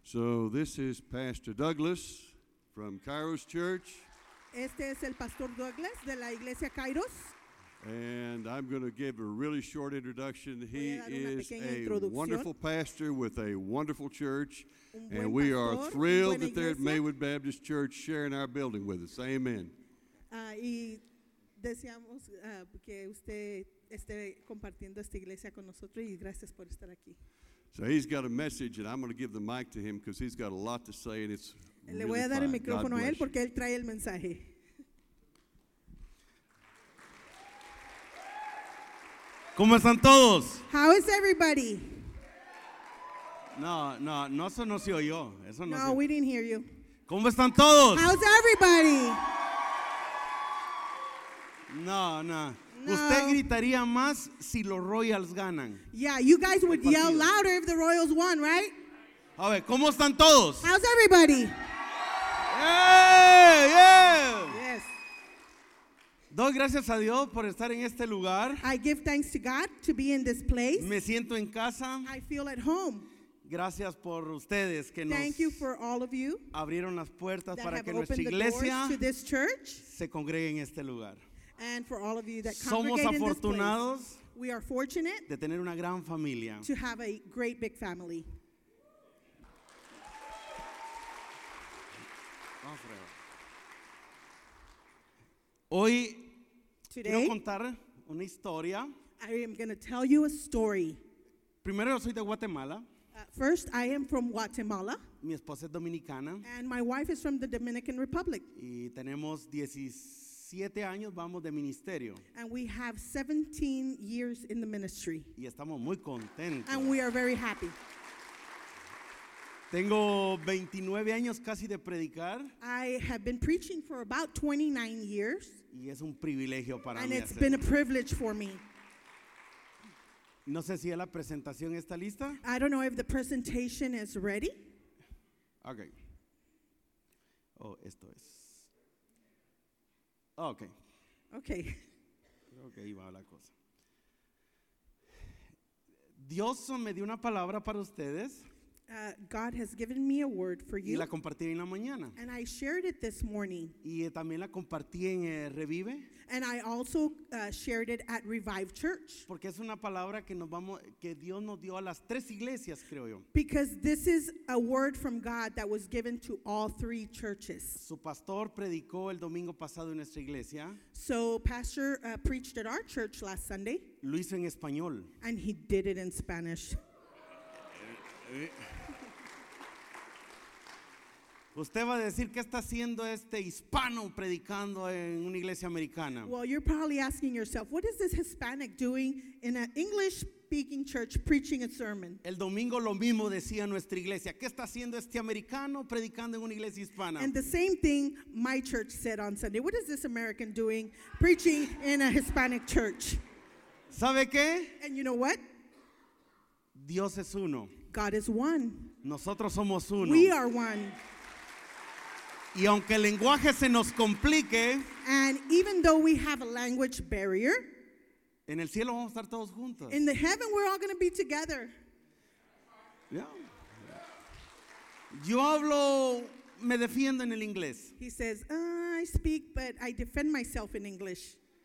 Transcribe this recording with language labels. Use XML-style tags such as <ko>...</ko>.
<en>So this is Pastor Douglas from Kairos Church.</en> <es>Este es el Pastor Douglas de la Iglesia Kairos.</es> <en>And I'm going to give a really short introduction. He is a wonderful pastor with a wonderful church. And we are thrilled that they're at Maywood Baptist Church sharing our building with us. Amen.</en> <es>Y deseamos que usted esté compartiendo esta iglesia con nosotros y gracias por estar aquí.</es> <en>So he's got a message, and I'm going to give the mic to him because he's got a lot to say, and it's</en> <es>le voy a dar el micrófono a él porque él trae el mensaje. ¿Cómo están todos?</es> <en>How is everybody?</en> <es>No, eso no se oyó.</es> <en>We didn't hear you.</en> <es>¿Cómo están todos?</es> <en>How's everybody?</en> <es>No. Usted gritaría más si los Royals ganan.</es> <en>Yeah, you guys would yell louder if the Royals won, right?</en> <es>A ver, ¿cómo están todos?</es> <en>How's everybody? Yeah. Yes.</en> <es>Doy gracias a Dios por estar en este lugar.</es> <en>I give thanks to God to be in this place.</en> <es>Me siento en casa.</es> <en>I feel at home.</en> <es>Gracias por ustedes que</es> <en>thank</en> <es>nos</es> <en>you for all of you</en> <es>abrieron las puertas para que nuestra iglesia se congregue en este lugar.</es> <en>And for all of you that</en> <es>somos afortunados</es> <en>in this place, we are fortunate</en> <es>de tener una gran familia.</es> <en>To have a great big family.</en> <es>Hoy</es> <en>today,</en> <es>quiero contar una historia.</es> <en>I am going to tell you a story.</en> <es>Primero, soy de Guatemala.</es> <en>First, I am from Guatemala.</en> <es>Mi esposa es dominicana.</es> <en>And my wife is from the Dominican Republic.</en> <es>Y tenemos 17 años vamos de ministerio.</es> <en>And we have 17 years in the ministry.</en> <es>Y estamos muy contentos.</es> <en>And we are very happy.</en> <es>Tengo 29 años casi de predicar.</es> <en>I have been preaching for about 29 years.</en> <es>Y es un privilegio para mí.</es> <en>And it's been a privilege for me.</en> <es>No sé si la presentación está lista.</es> <en>I don't know if the presentation is ready.</en> <es>Okay. Oh, esto es.</es> <en>Okay. Okay.</en> <es>Creo que iba la cosa. Dios me dio una palabra para ustedes.</es> <en>God has given me a word for you.</en> <es>Y la compartí en la mañana.</es> <en>And I shared it this morning.</en> <es>Y también la compartí en Revive.</es> <en>And I also shared it at Revive Church.</en> <es>Porque es una palabra que nos vamos, que Dios nos dio a las tres iglesias, creo yo.</es> <en>Because this is a word from God that was given to all three churches.</en> <es>Su pastor predicó el domingo pasado en nuestra iglesia.</es> <en>So pastor preached at our church last Sunday.</en> <es>Lo hizo en español.</es> <en>And he did it in Spanish.</en> <es>Usted va a decir qué está haciendo este hispano predicando en una iglesia americana.</es> <en>Well, you're probably asking yourself, what is this Hispanic doing in an English-speaking church preaching a sermon?</en> <es>El domingo lo mismo decía nuestra iglesia. ¿Qué está haciendo este americano predicando en una iglesia hispana?</es> <en>And the same thing my church said on Sunday. What is this American doing preaching in a Hispanic church?</en> <es>¿Sabe qué?</es> <en>And you know what?</en> <es>Dios es uno.</es> <en>God is one.</en> <es>Nosotros somos uno.</es> <en>We are one.</en> <es>Y aunque el lenguaje se nos complique,</es> <en>and even though we have a language barrier,</en> <es>en el cielo vamos a estar todos juntos.</es> <en>In the heaven we're all going to be together. Yeah.</en> <es>Yo hablo, me defiendo en el inglés.</es> <en>He says, I speak, but I defend myself in English.</en>